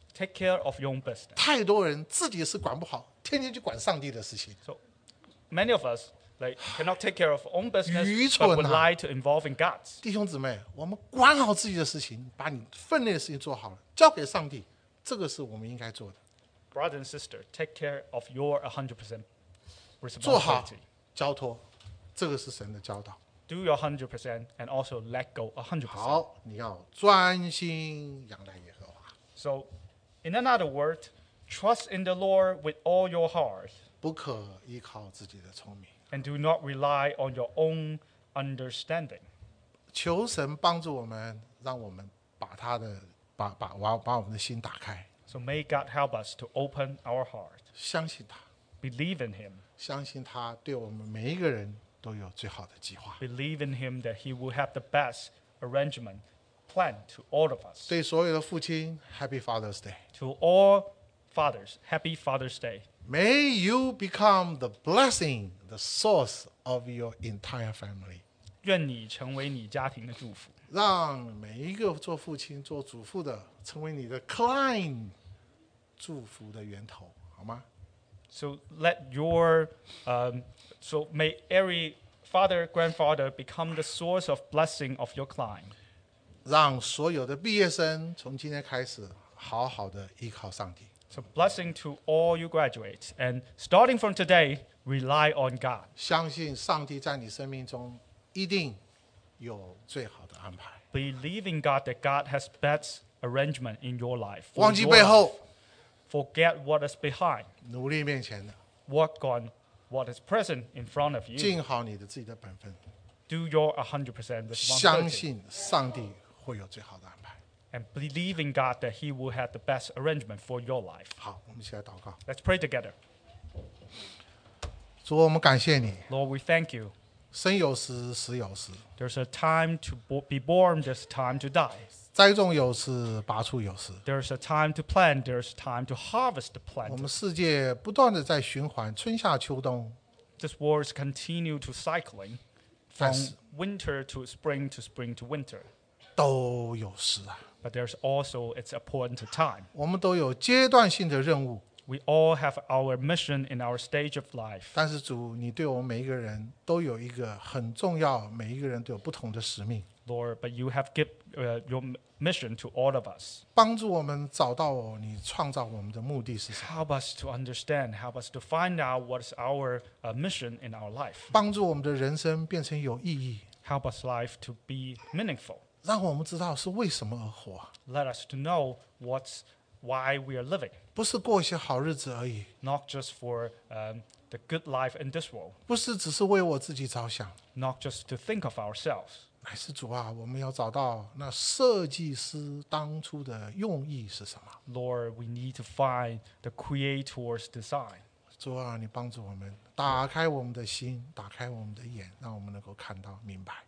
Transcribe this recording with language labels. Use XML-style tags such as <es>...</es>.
<en>Take care of your own business.</en> <zh>太多人自己是管不好，天天去管上帝的事情。</zh> <en>So many of us cannot take care of own business.</en> <zh>愚蠢啊！</zh> <en>But would like to involve in God's.</en> <zh>弟兄姊妹，我们管好自己的事情，把你分内的事情做好了。交给上帝，这个是我们应该做的。</zh> <en>Brother and sister, take care of your 100% responsibility.</en> <zh>做好，交托，这个是神的教导。</zh> <en>Do your 100% and also let go 100%.</en> <zh>好，你要专心仰赖耶和华。</zh> <en>So, in another word, trust in the Lord with all your heart.</en> <zh>不可依靠自己的聪明。</zh> <en>And do not rely on your own understanding.</en> <zh>求神帮助我们，让我们把他的把我们的心打开。</zh> <en>So may God help us to open our heart.</en> <zh>相信他。</zh> <en>Believe in him.</en> <zh>相信他对我们每一个人都有最好的计划。</zh> <en>Believe in him that he will have the best arrangement plan to all of us.</en> <zh>对所有的父亲</zh> <en>Happy Father's Day. To all fathers, Happy Father's Day. May you become the blessing, the source of your entire family.</en> <zh>愿你成为你家庭的祝福。让每一个做父亲做祖父的成为你的 client 祝福的源头好吗？</zh> <en>So let your so may every father grandfather become the source of blessing of your client.</en> <zh>让所有的毕业生从今天开始好好的依靠上帝。</zh> <en>So blessing to all you graduates and starting from today rely on God.</en> <zh>相信上帝在你生命中一定有最好的安排。</zh> <en>Believe in God that God has best arrangement in your life.</en> <zh>忘记背后。</zh> <en>Forget what is behind.</en> <zh>努力面前的。</zh> <en>Work on what is present in front of you.</en> <zh>尽好你的自己的本分。</zh> <en>Do your 100% responsibility.</en> <zh>相信上帝会有最好的安排。</zh> <en>And believe in God that He will have the best arrangement for your life.</en> <zh>好，我们一起来祷告。</zh> <en>Let's pray together.</en> <zh>主，我们感谢你。</zh> <en>Lord, we thank you.</en> <zh>生有时，死有时。</zh> <en>There's a time to be born, there's a time to die.</en> <zh>栽种有时，拔出有时。</zh> <en>There's a time to plant, there's a time to harvest the plant.</en> <zh>我们世界不断的在循环，春夏秋冬。</zh> <en>This world is continue to cycling from winter to spring to spring to winter.</en> <zh>都有时啊。</zh> <en>But there's also its appointed time.</en> <zh>我们都有阶段性的任务。</zh> <en>We all have our mission in our stage of life.</en> <zh>但是主，你对我们每一个人都有一个很重要，每一个人都有不同的使命。</zh> <en>Lord, but you have given your mission to all of us.</en> <zh>帮助我们找到你创造我们的目的是什么。</zh> <en>Help us to understand. Help us to find out what's our mission in our life.</en> <zh>帮助我们的人生变成有意义。</zh> <en>Help us life to be meaningful.</en> <zh>让我们知道是为什么而活。</zh> <en>Let us to know what's why we are living.</en> <zh>不是过一些好日子而已。</zh> <en>Not just for the good life in this world.</en> <zh>不是只是为我自己着想。</zh> <en>Not just to think of ourselves.</en> <zh>乃是主啊，我们要找到那设计师当初的用意是什么。</zh> <en>Lord, we need to find the creator's design.</en> <zh>主啊，你帮助我们打开我们的心，打开我们的眼，让我们能够看到明白。</zh>